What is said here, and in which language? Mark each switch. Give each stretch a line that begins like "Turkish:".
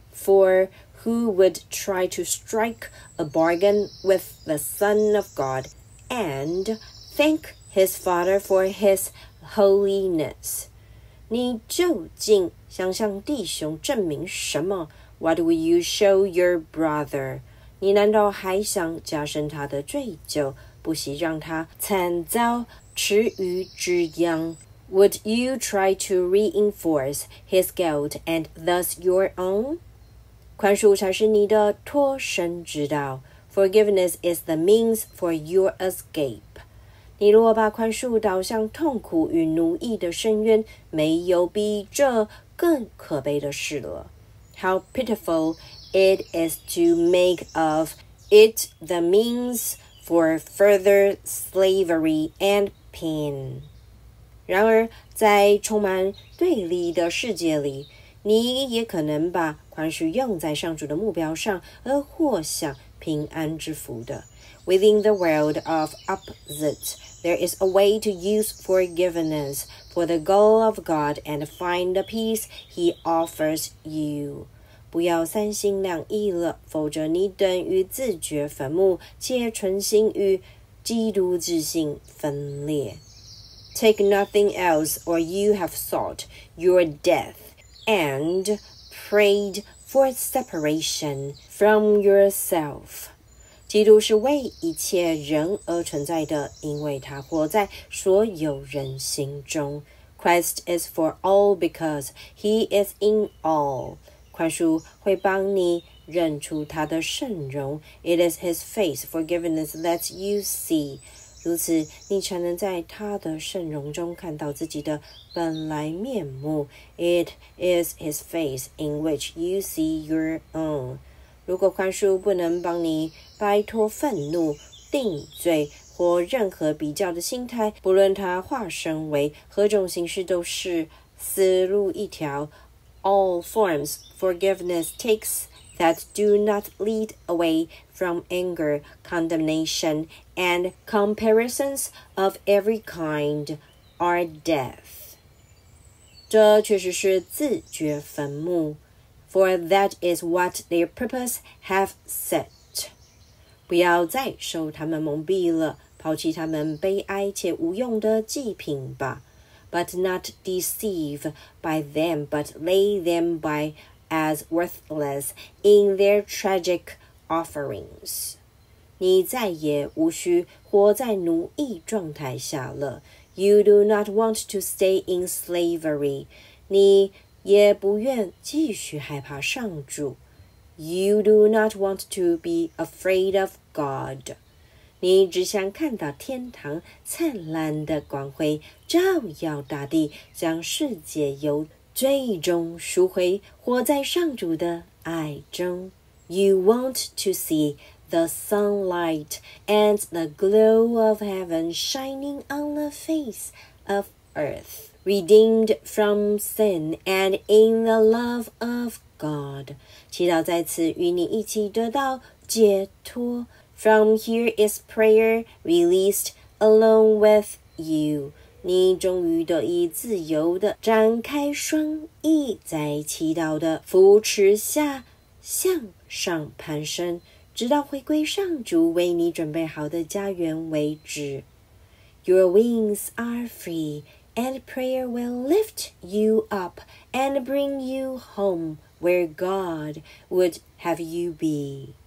English: For who would try to strike a bargain with the Son of God and thank his Father for his holiness?
Chinese: 你究竟想向弟兄证明什么？
English: What will you show your brother?
Chinese: 你难道还想加深他的罪疚，不惜让他惨遭池鱼之殃？
English: Would you try to reinforce his guilt and thus your own?
Chinese: 宽恕才是你的脱身之道。
English: Forgiveness is the means for your escape.
Chinese: 你如果把宽恕导向痛苦与奴役的深渊，没有比这更可悲的事了。
English: How pitiful it is to make of it the means for further slavery and pain.
Chinese: 然而，在充满对立的世界里，你也可能把宽恕用在上主的目标上，而获享平安之福的。
English: Within the world of opposites, there is a way to use forgiveness for the goal of God and find the peace he offers you.
Chinese: 不要三心两意了，否则你等于自掘坟墓，且存心与基督之心分裂。
English: Take nothing else, or you have sought your death and prayed for separation from yourself.
Chinese: 基督是为一切人而存在的，因为他活在所有人心中。
English: Christ is for all because he is in all.
Chinese: 宽恕会帮你认出他的圣容。
English: It is his face forgiveness lets you see.
Chinese: 如此，你才能在他的圣容中看到自己的本来面目。
English: It is his face in which you see your own.
Chinese: 如果宽恕不能帮你摆脱愤怒、定罪或任何比较的心态，不论它化身为何种形式，都是死路一条。
English: All forms forgiveness takes that do not lead away from anger, condemnation, and comparisons of every kind are death.
Chinese: 这确实是自掘坟墓。
English: For that is what their purpose have set.
Chinese: 不要再受他们蒙蔽了，抛弃他们悲哀且无用的祭品吧。
English: But not deceive by them, but lay them by as worthless in their tragic offerings.
Chinese: 你再也无需活在奴役状态下了。
English: You do not want to stay in slavery.
Chinese: 你也不愿继续害怕上主。
English: You do not want to be afraid of God.
Chinese: 你只想看到天堂灿烂的光辉照耀大地，将世界由最终赎回，活在上主的爱中。
English: You want to see the sunlight and the glow of heaven shining on the face of earth. Redeemed from sin and in the love of God.
Chinese: 祈祷在此与你一起得到解脱。
English: From here is prayer released along with you.
Chinese: 你终于得以自由地展开双翼，在祈祷的扶持下向上攀升，直到回归上主为你准备好的家园为止。
English: Your wings are free, and prayer will lift you up and bring you home where God would have you be.